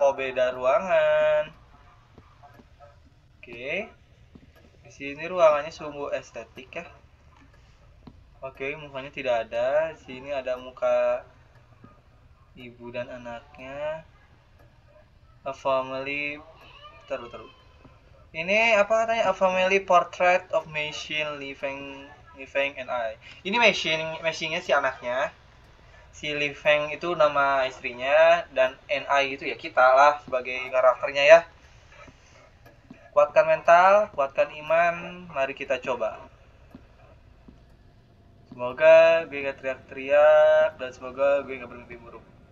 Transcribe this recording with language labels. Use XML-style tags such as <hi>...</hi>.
<id>Kok beda ruangan. Oke. Di sini ruangannya sungguh estetik ya. Oke, mukanya tidak ada. Di sini ada muka ibu dan anaknya.</id> <en>A family.</en> <id>Taruh. Ini apa katanya?</id> <en>A family portrait of machine Li Feng and I.</en> <id>Ini machine-nya si anaknya. Si Li Feng itu nama istrinya dan NI itu ya kita lah sebagai karakternya ya. Kuatkan mental, kuatkan iman, mari kita coba. Semoga gue gak teriak-teriak dan semoga gue gak bermimpi buruk.</id>